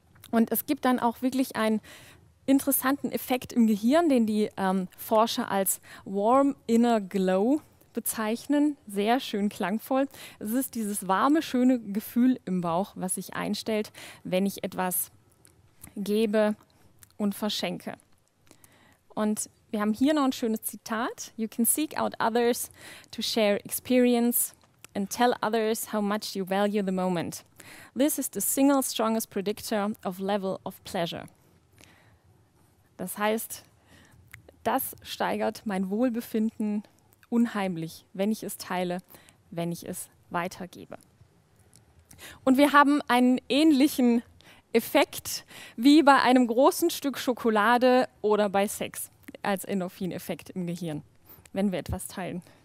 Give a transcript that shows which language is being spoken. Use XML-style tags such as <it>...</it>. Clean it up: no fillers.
<de>Und es gibt dann auch wirklich einen interessanten Effekt im Gehirn, den die Forscher als Warm Inner Glow bezeichnen. Sehr schön klangvoll. Es ist dieses warme, schöne Gefühl im Bauch, was sich einstellt, wenn ich etwas gebe und verschenke. Und wir haben hier noch ein schönes Zitat.</de> <en>You can seek out others to share experience and tell others how much you value the moment. This is the single strongest predictor of level of pleasure.</en> <de>Das heißt, das steigert mein Wohlbefinden unheimlich, wenn ich es teile, wenn ich es weitergebe. Und wir haben einen ähnlichen Effekt wie bei einem großen Stück Schokolade oder bei Sex als Endorphineffekt im Gehirn, wenn wir etwas teilen.</de>